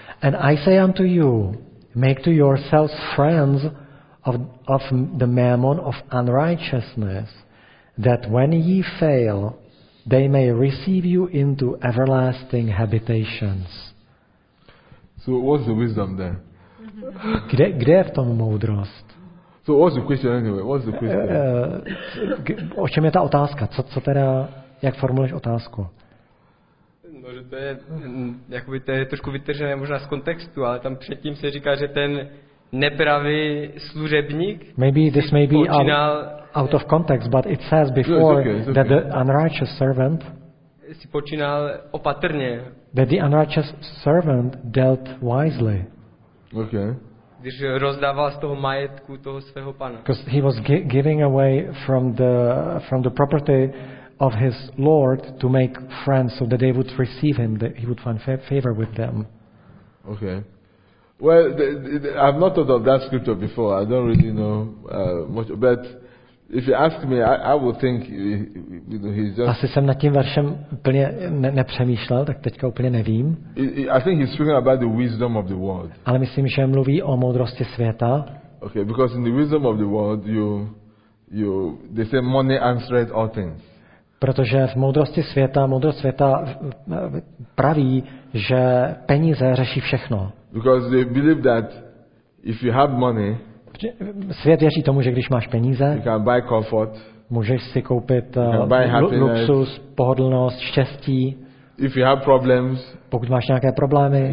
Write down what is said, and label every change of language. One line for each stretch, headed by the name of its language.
English: And I say unto you, make to yourselves friends of the mammon of unrighteousness, that when ye fail, they may receive you into everlasting habitations. So what's the wisdom then?
Czech: Kde je v tom moudrost?
English: So what's the question anyway? What's the question?
Czech: O čem je ta otázka? Co teda, jak formuluješ otázku? No, že to je, jakoby to je trošku vytržené možná z kontextu, ale tam předtím se říká, že ten nepravý služebník.
English: Maybe this may be out of context, but it says before that the unrighteous servant.
Czech: Si počínal opatrně.
English: That the unrighteous servant dealt wisely. Okay.
Czech: Když rozdával z toho majetku toho svého pana.
English: Because he was giving away from the property of his lord to make friends so that they would receive him, that he would find favor with them. Okay. Well, I've not thought of that scripture before. I don't really know much, but if you ask me, I would think he's just.
Czech: Asi jsem nad tím veršem úplně nepřemýšlel, tak teďka úplně nevím.
English: I think he's speaking about the wisdom of the world.
Czech: Ale myslím, že mluví o moudrosti světa.
English: Okay, because in the wisdom of the world, you they say money answers all things.
Czech: Protože v moudrosti světa, moudrost světa praví, že peníze řeší všechno.
English: Because they believe that if you have money.
Czech: Svět věří tomu, že když máš peníze,
English: you can buy comfort,
Czech: můžeš si koupit luxus, pohodlnost, štěstí.
English: If you have problems,
Czech: pokud máš nějaké problémy,